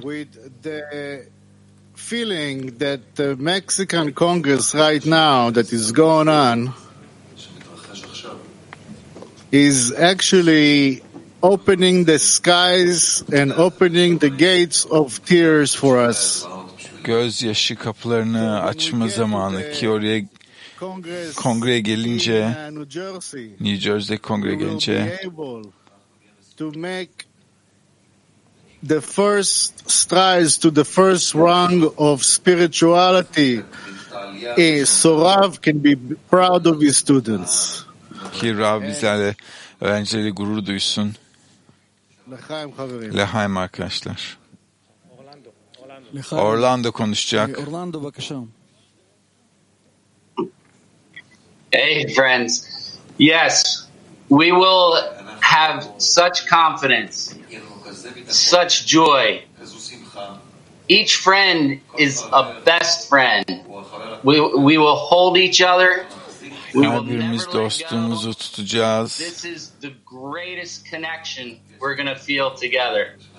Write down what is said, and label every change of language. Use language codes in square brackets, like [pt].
[en] With the feeling that the Mexican Congress right now that is going on is actually opening the skies and opening the gates of tears for us. [tr] Gözyaşı kapılarını açma zamanı ki oraya kongre gelince, New Jersey kongre gelince, [en] to make the first strides to the first rung of spirituality, so Rav can be proud of his students. [tr] Ki Rav bizlerle öğrencileri gurur duysun. [he] לחיים חברים. לחיים אקשטר. אורלנדו. אורלנדו קונשצ'אק. אורלנדו בבקשה. [en] Hey friends. Yes, we will have such confidence. Such joy. Each friend is a best friend. We will hold each other. [tr] Her birimiz dostluğumuzu tutacağız. [en] This is the greatest connection we're going to feel together.